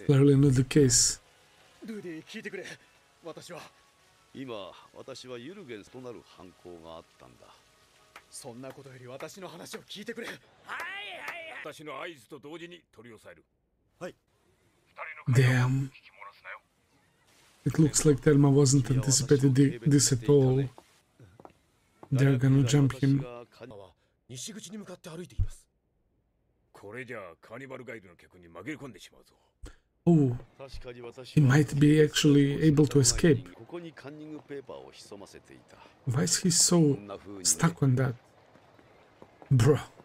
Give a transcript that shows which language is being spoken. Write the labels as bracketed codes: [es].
[en] Clearly not the case. [ja] ルーディ、聞いてくれ。私は今、私はユルゲンスとなる犯行があったんだ。そんなことより私の話を聞いてくれ。はい。私の合図と同時に取り押さえる。はい。 [en] Damn. It looks like Tenma wasn't anticipated this at all. They're gonna jump him. [ja] 西口に向かって歩いています。これじゃカーニバルガイドの客に紛れ込んでしまうぞ。 [en] Oh. He might be actually able to escape. [ja] ここにカンニングペーパーを潜ませていた。 [en] Why is he so stuck on that? Bro.